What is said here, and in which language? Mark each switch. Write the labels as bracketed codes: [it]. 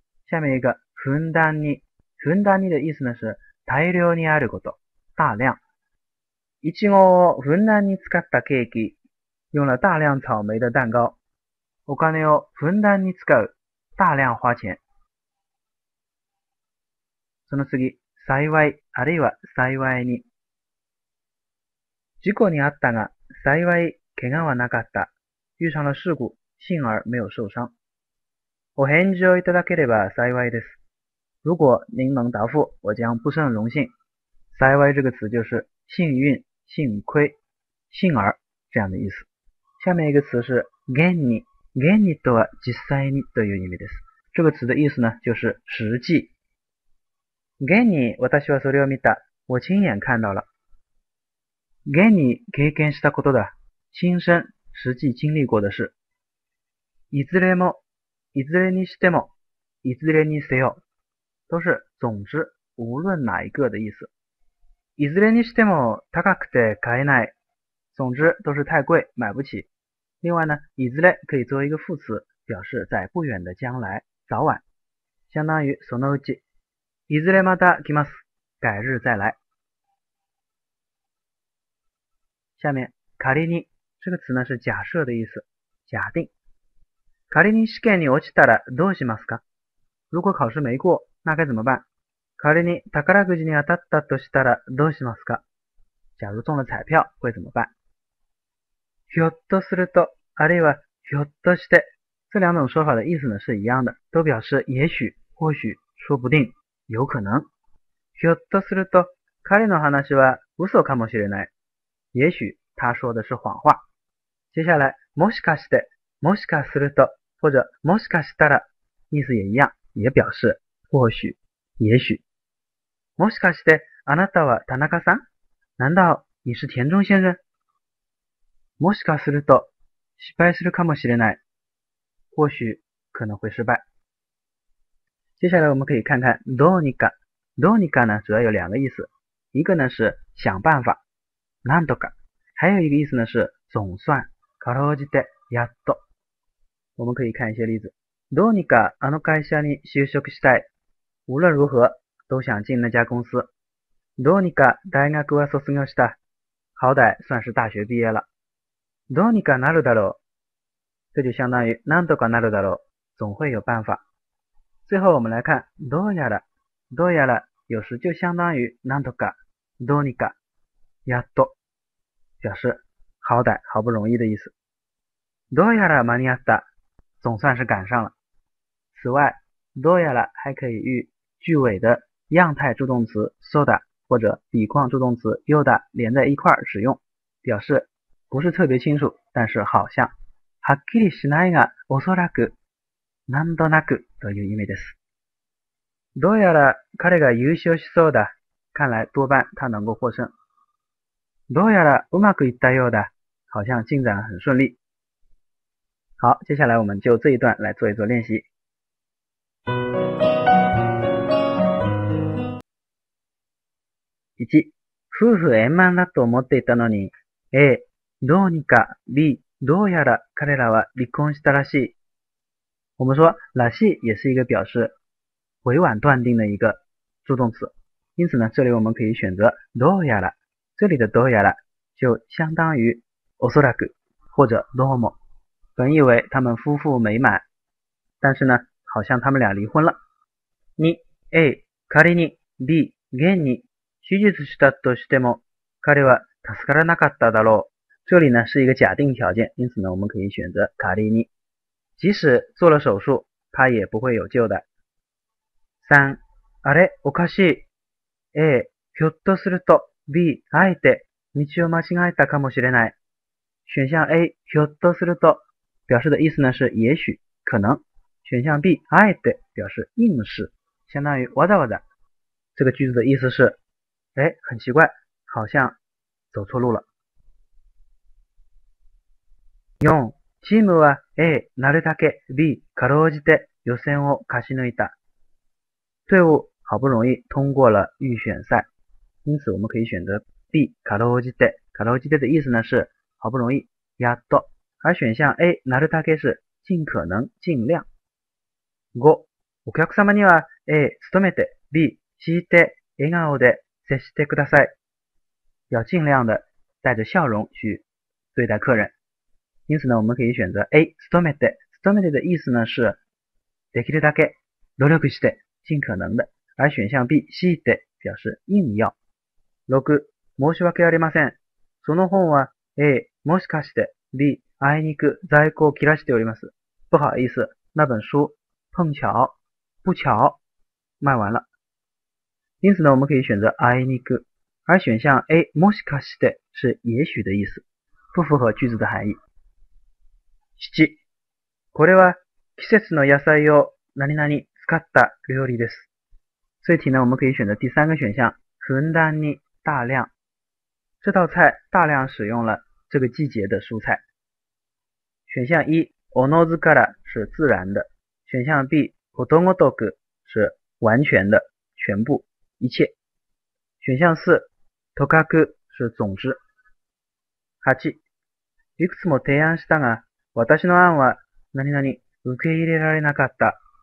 [zh] 下面一个、ふんだんに。ふんだんに的意思呢是、 [ja] 大量にあること、 [zh] 大量。 [ja] いちごをふんだんに使ったケーキ、 [zh] 用了大量草莓的蛋糕。 [ja] お金をふんだんに使う、 [zh] 大量花钱。 [ja] その次、幸い、あるいは幸いに。事故にあったが、幸い、怪我はなかった。 [zh] 遇上了事故、幸而没有受伤。 [ja] お返事をいただければ幸いです。 [zh] 如果您能答复、我将不胜荣幸。幸い这个词就是、幸運、幸亏、幸而、这样的意思。下面一个词是、現に。 [ja] 現にとは実際にという意味です。 [zh] 这个词的意思呢、就是、实际。 [ja] 現に私はそれを見た。 [zh] 我亲眼看到了。 [ja] 現に経験したことだ。 [zh] 亲身、实际经历过的事。 [ja] いずれも、いずれにしても、いずれにせよ。 [zh] 都是、总之、无论哪一个的意思。 [ja] いずれにしても、高くて買えない。 [zh] 总之、都是太贵、买不起。另外呢、いずれ可以作为一个副词、表示在不远的将来、早晚。相当于、 [ja] そのうち。いずれまた来ます。 [zh] 改日再来。下面、仮に。这个词呢是假设的意思。假定。 [ja] 仮に試験に落ちたらどうしますか？ [zh] 如果考试没过、那该怎么办？ [ja] 仮に宝くじに当たったとしたらどうしますか？ [zh] 假如中了彩票、会怎么办？ [ja] ひょっとすると、あるいはひょっとして。 [zh] 这两种说法的意思呢是一样的。都表示也许、或许、说不定、有可能。 [ja] ひょっとすると、彼の話は嘘かもしれない。 [zh] 也许他说的是谎话。接下来もしかしてもしかすると或者もしかしたら意思也一样，也表示或许也许。 [ja] もしかしてあなたは田中さん？ [zh] 难道你是田中先生？ [ja] もしかすると失敗するかもしれない， [zh] 或许可能会失败。接下来我们可以看看どうにか。どうにか呢主要有两个意思，一个呢是想办法，なんとか，还有一个意思呢是总算。 [ja] かろうじてやっと。 [zh] 我们可以看一些例子。 [ja] どうにかあの会社に就職したい。 [zh] 无论如何都想进那家公司。 [ja] どうにか大学は卒業した。 [zh] 好歹算是大学毕业了。 [ja] どうにかなるだろう。 [zh] 这就相当于 [ja] なんとかなるだろう。 [zh] 总会有办法。最后我们来看どうやら。どうやら有时就相当于なんとか。 [ja] どうにかやっと。 [zh] 表示好歹、好不容易的意思。 [ja] どうやら間に合った。 [zh] 总算是赶上了。此外、どうやら还可以与句尾的样态助动词、そうだ、或者比况助动词 yoda 连在一块使用，表示不是特别清楚，但是好像。 [ja] はっきりしないが、おそらく、なんとなくという意味です。どうやら彼が優勝しそうだ。 [zh] 看来多半他能够获胜。 [ja] どうやらうまくいったようだ。 [zh] 好像进展很顺利。好，接下来我们就这一段来做一做练习。 1. [ja] 夫婦円満だと思っていたのに、A. どうにか、B. どうやら彼らは離婚したらしい。 [zh] 我们说らしい也是一个表示委婉断定的一个助动词。因此呢，这里我们可以选择どうやら。这里的どうやら就相当于おそらく或者どうも。本以为他们夫妇美满，但是呢，好像他们俩离婚了。 [ja] に A 仮に B 現に手術したとしても彼は助からなかっただろう。 [zh] 这里呢是一个假定条件，因此呢我们可以选择仮に。即使做了手术，他也不会有救的。三 [ja] あれおかしい。 A ひょっとすると B あえて道を間違えたかもしれない。 [zh] 选项 A ひょっとすると表示的意思呢是也许可能。选项 B あえて表示硬是，相当于わざわざ。这个句子的意思是，哎，很奇怪，好像走错路了。 4. [ja] チームは A なるだけ B かろうじて予選を勝ち抜いた。 [zh] 队伍好不容易通过了预选赛，因此我们可以选择 B かろうじて。かろうじて的意思呢是好不容易，やっと。而选项 A なるだけ是尽可能尽量。 [ja] 5. お客様には A 勤めて B 強いて笑顔で接してください。 [zh] 要尽量的带着笑容去对待客人。因此呢，我们可以选择 A 勤めて。勤めて的意思呢是 [ja] できるだけ、努力して、 [zh] 尽可能的。而选项 B 強いて表示硬要。 [ja] 6. 申し訳ありません。その本は A もしかして B あいにく在庫を切らしております。 [zh] 不好意思，那本书碰巧不巧卖完了。因此呢，我们可以选择あいにく。而选项 A もしかして是也许的意思，不符合句子的含义。 7. [ja] これは季節の野菜を何々使った料理です。 [zh] 这题呢，我们可以选择第三个选项，ふんだんに大量。这道菜大量使用了这个季节的蔬菜。选项 1. おのずから是自然的。选项 B. ことごとく是完全的、全部、一切。选项 4. とかく是总之。 [ja] 8. いくつも提案したが、私の案は何々受け入れられなかった。